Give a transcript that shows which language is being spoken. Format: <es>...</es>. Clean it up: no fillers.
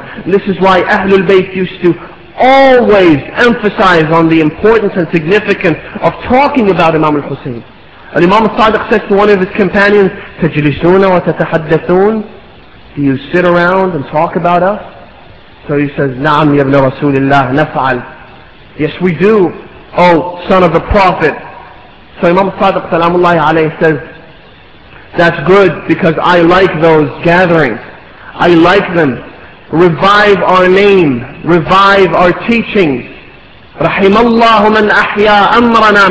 <en>And this is why Ahlul Bayt used to always emphasize on the importance and significance of talking about Imam al-Hussein. And Imam al-Sadiq says to one of his companions,</en> <ar>تَجْلِسُونَ وَتَتَحَدَّثُونَ.</ar> <en>Do you sit around and talk about us?</en> <ar>So he says, نَعَمْ يَبْنَ رَسُولِ اللَّهِ نَفْعَلْ.</ar> <en>Yes, we do, O son of the Prophet. So Imam al-Sadiq salamullahi alayhi says, that's good because I like those gatherings. I like them. Revive our name. Revive our teachings.</en> <ar>رحم الله من أحيا أمرنا.</ar>